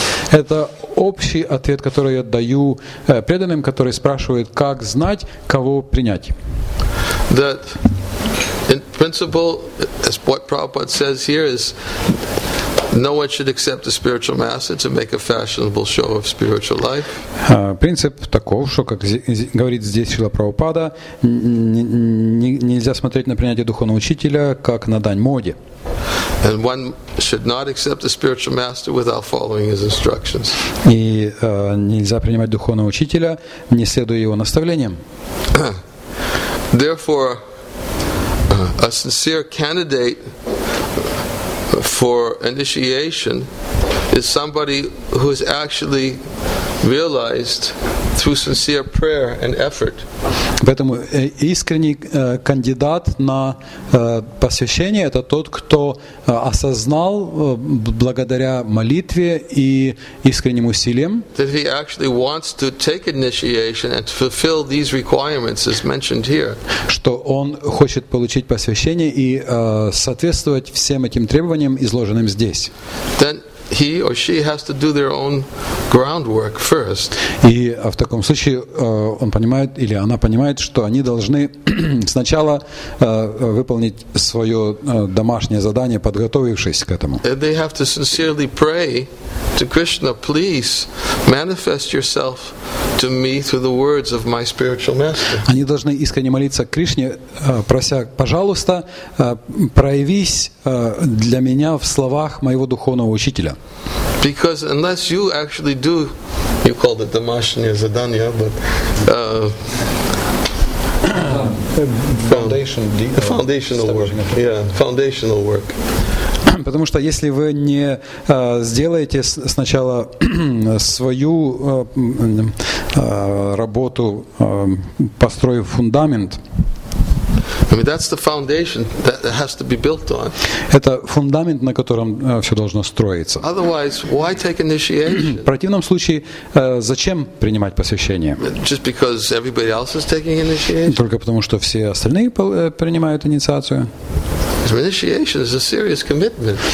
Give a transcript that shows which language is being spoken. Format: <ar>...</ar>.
<ru>Это общий ответ, который я даю преданным, которые спрашивают, как знать, кого принять.</ru> <en>That in principle, as what Prabhupada says here, is no one should accept a spiritual master to make a fashionable show of spiritual life.</en> <ru>Принцип таков, что, как говорит здесь Шрила Прабхупада, нельзя смотреть на принятие духовного учителя как на дань моде.</ru> <en>And one should not accept a spiritual master without following his instructions.</en> <ru>И нельзя принимать духовного учителя, не следуя его наставлениям.</ru> <en>Therefore, a sincere candidate for initiation is somebody who is actually realized through sincere prayer and effort.</en> <ru>Поэтому искренний кандидат на посвящение это тот, кто осознал благодаря молитве и искренним усилиям.</ru> <en>That he actually wants to take initiation and fulfill these requirements as mentioned here.</en> <ru>Что он хочет получить посвящение и соответствовать всем этим требованиям, изложенным здесь.</ru> <en>Then he or she has to do their own groundwork first.</en> <ru>И в таком случае он понимает или она понимает, что они должны сначала выполнить свое домашнее задание, подготовившись к этому.</ru> <en>And they have to sincerely pray to Krishna, please manifest yourself to me through the words of my spiritual master.</en> <ru>Они должны искренне молиться Кришне, прося, пожалуйста, проявись для меня в словах моего духовного учителя.</ru> <en>Because unless you actually do, you called it</en> <ru>domashnye zadanya,</ru> <en>but foundational work.</en> <ru>Потому что если вы не сделаете сначала свою работу, построив фундамент.</ru> <en>I mean, that's the foundation that has to be built on.</en> <ru>Это фундамент, на котором все должно строиться.</ru> <en>Otherwise, why take initiation?</en> <ru>В противном случае, зачем принимать посвящение?</ru> <en>Just because everybody else is taking initiation?</en> <ru>Только потому, что все остальные принимают инициацию.</ru> <en>Initiation is a serious commitment.</en>